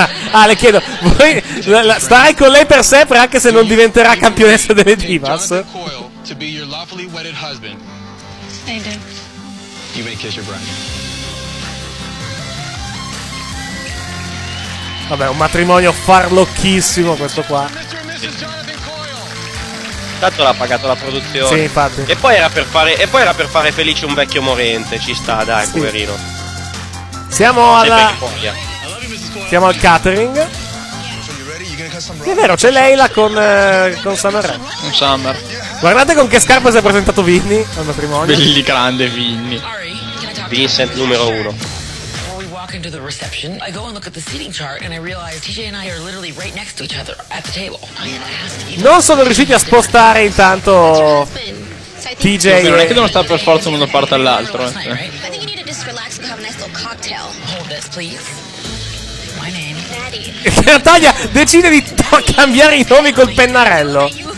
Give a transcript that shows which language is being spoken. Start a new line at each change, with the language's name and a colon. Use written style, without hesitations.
Italian: Ah, le chiedo, starai con lei per sempre anche se non diventerà campionessa delle Divas?
English: Jonathan Coyle to be your lawfully wedded husband. I do. You may kiss your bride.
Italian: Vabbè, un matrimonio farlocchissimo questo qua. Tanto l'ha pagato la produzione. Sì, infatti. E poi era per fare felice un vecchio morente. Ci sta, dai, sì. Poverino. Siamo al catering. È vero, c'è Leila con Summer. Un Summer. Guardate con che scarpe si è presentato Vinny al matrimonio. Belli grande Vinny. Vincent numero uno.
English: Into the reception, I go and look at the seating chart and I realize TJ and I are literally right next to each other at the table.
Italian: Non sono riusciti a spostare intanto TJ. Non è che devono stare per forza uno da parte all'altro.
English: I think you need to just relax and have a nice little cocktail. Hold this, please. My name is Maddie.
Italian: Natalia decide di cambiare i nomi col pennarello.